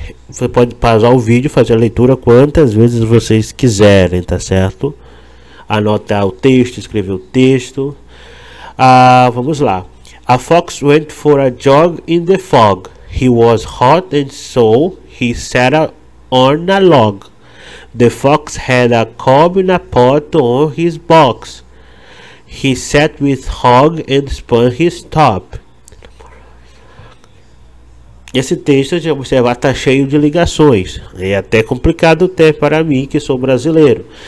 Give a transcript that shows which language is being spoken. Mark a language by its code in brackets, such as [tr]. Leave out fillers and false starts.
[pt] Você pode pausar o vídeo, fazer a leitura quantas vezes vocês quiserem, tá certo? Anotar o texto, escrever o texto. Vamos lá. [en] A fox went for a jog in the fog. He was hot and so he sat on a log. The fox had a cob in a pot on his box. He sat with hog and span his top. [pt] Esse texto, já observar, está cheio de ligações. É até complicado até para mim, que sou brasileiro.